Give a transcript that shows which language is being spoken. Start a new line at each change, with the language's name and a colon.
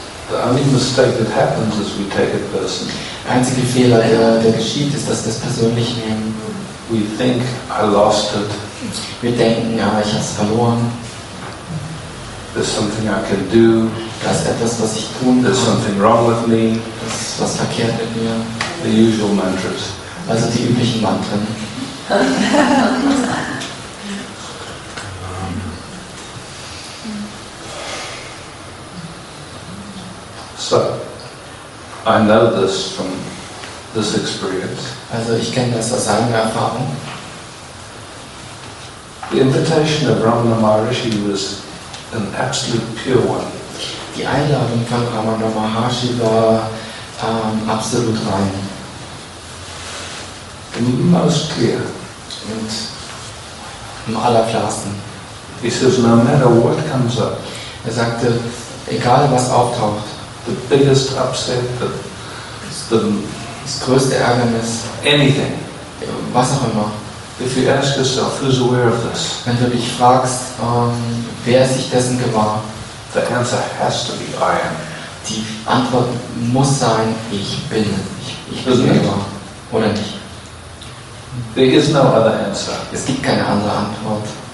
English: The only mistake that happens is we take it personally.
German: Der einzige Fehler, der geschieht, ist, dass wir es persönlich nehmen.
English: We think I lost it.
German: Wir denken, ja, ich habe es verloren.
English: There's something I can do.
German: Da ist etwas, was ich tun kann.
English: There's something wrong with me.
German: Das ist was verkehrt mit mir.
English: The usual mantras.
German: Also die üblichen Mantren.
English: So, I know this from this experience.
German: Also ich kenne das aus eigener Erfahrung.
English: The invitation of Ramana Maharshi was an absolute pure one.
German: Die Einladung von Ramana Maharshi war absolut rein.
English: Most clear.
German: Und im allerklarsten.
English: He says, no matter what comes up.
German: Er sagte, egal was auftaucht.
English: The biggest upset,
German: das größte Ärgernis.
English: Anything.
German: Was auch immer.
English: If you ask yourself, who's aware of this?
German: Wenn du dich fragst, wer sich dessen gewahr?
English: The answer has to be I am.
German: Die Antwort muss sein, ich bin. Ich bin mir gewahr. Oder nicht?
English: There is no other answer.
German: Es gibt keine andere Antwort.